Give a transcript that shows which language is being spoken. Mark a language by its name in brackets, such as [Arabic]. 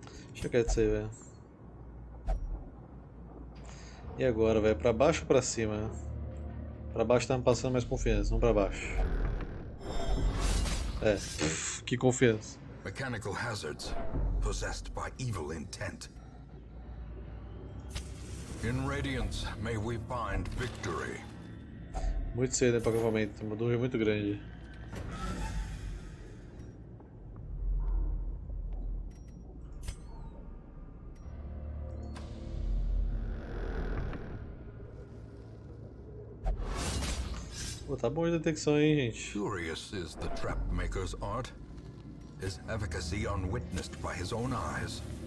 [Portuguese] O que quer dizer, velho? E agora, velho? Pra baixo ou pra cima? Pra baixo tá me passando mais confiança, não pra baixo. É, que confiança. [English] Mechanical hazards possessed by evil intent. In radiance, may we find victory. [Portuguese] Muito cedo, né, pra acampamento, uma dúvida muito grande. Tá bom de detecção, hein, gente. [English] Curious is the trap maker's art. His efficacy unwitnessed by his own eyes.